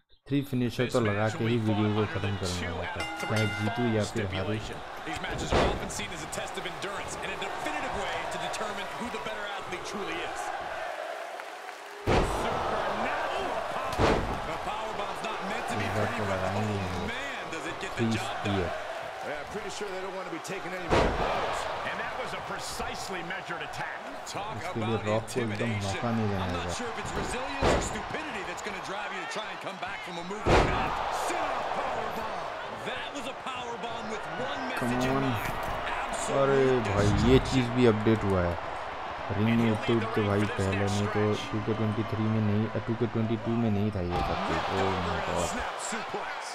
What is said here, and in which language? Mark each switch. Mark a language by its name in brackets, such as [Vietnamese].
[Hindi] 3 finisher तो लगा के ही वीडियो को खत्म करना होता, चाहे जीतू या फिर हारू। [English] Pretty sure they don't want to be taking any more blows. And that was a precisely measured attack. Talk about intimidation. I'm not sure if it's resilience or stupidity that's going to drive you to try and come back from a move like that. Sit up, powerbomb. That was a powerbomb with one message in mind. [Hindi] अरे भाई ये चीज भी update हुआ है ring में उतर के भाई, पहले नहीं तो 2K23 में नहीं, 2K22 में नहीं था ये सब। [English] oh my God,